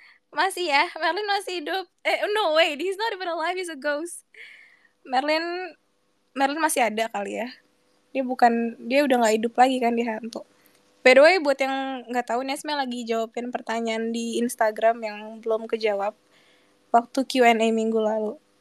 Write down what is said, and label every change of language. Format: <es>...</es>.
<id>Masih ya, Merlin masih hidup.</id> <en>No, wait, he's not even alive, he's a ghost.</en> <id>Merlin masih ada kali ya. Dia udah gak hidup lagi kan, dia hantu.</id> <en>By the way,</en> <id>buat yang gak tahu, Nesme lagi jawabin pertanyaan di Instagram yang belum kejawab waktu Q&A minggu lalu.</id>